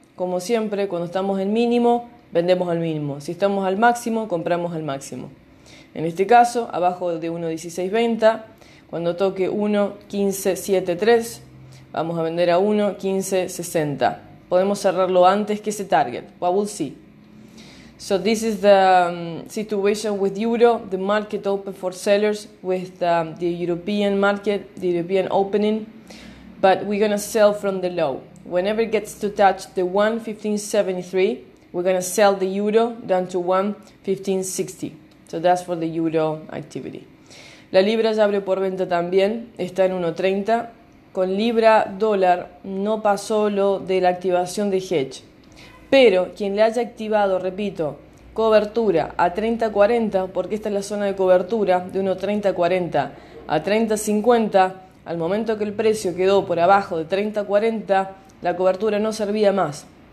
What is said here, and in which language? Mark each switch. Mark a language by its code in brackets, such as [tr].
[es] Como siempre, cuando estamos en mínimo, vendemos al mínimo. Si estamos al máximo, compramos al máximo. En este caso, abajo de 1.1620, cuando toque 1.1573, vamos a vender a 1.1560. Podemos cerrarlo antes que ese target. [en] What we'll see. So this is the situation with Euro, the market open for sellers with the European market, the European opening. But we're going to sell from the low. Whenever it gets to touch the 1.1573, we're going to sell the euro down to 1.1560. So that's for the euro activity. [es] La libra ya abrió por venta también, está en 1.30. Con libra dólar no pasó lo de la activación de hedge. Pero quien le haya activado, repito, cobertura a 30.40, porque esta es la zona de cobertura de 1.3040 a 30.50, al momento que el precio quedó por abajo de 30.40, la cobertura no servía más.